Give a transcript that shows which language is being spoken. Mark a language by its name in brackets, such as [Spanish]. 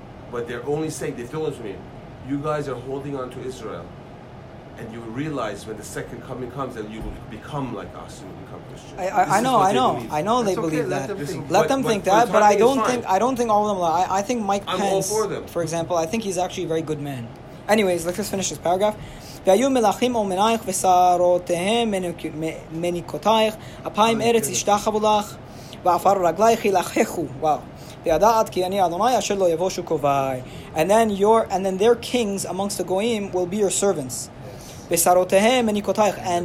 [English] But they're only saying, they feel it to me, you guys are holding on to Israel, and you realize when the second coming comes that you will become like us and become Christians. I don't think all of them lie. I think Mike Pence, for example, I think he's actually a very good man. Anyways, let's just finish this paragraph. [Hebrew] והיו מלאכים אומנייך ושערותיהם מניקותייך, אפיים ארץ ישתחוו לך, ועפר רגלייך ילחכו. וואו. וידעת כי אני אדוני אשר לא יבושו קובעי. [English] And then their kings amongst the goyim will be your servants. [Hebrew] ושערותיהם מניקותייך.